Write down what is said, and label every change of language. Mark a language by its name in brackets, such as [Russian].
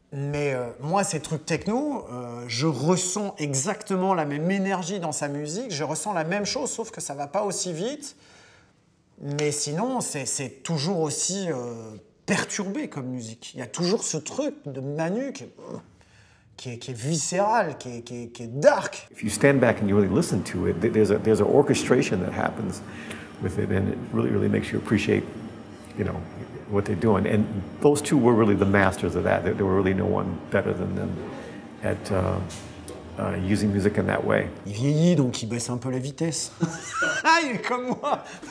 [French] Mais moi, ces trucs techno, je ressens exactement la même énergie dans sa musique, je ressens la même chose, sauf que ça va pas aussi vite, mais sinon, c'est toujours aussi perturbé comme musique. Il y a toujours ce truc de Manu qui est viscéral, qui est dark. [English] If you stand back and you really listen to it, there's an orchestration that happens with it, and it really really makes you appreciate, you know, what they're doing. And those two were really the masters of that. There were really no one better than them at using music in that way. [French] Il vieillit, donc il baisse un peu la vitesse. Ah, il est comme moi.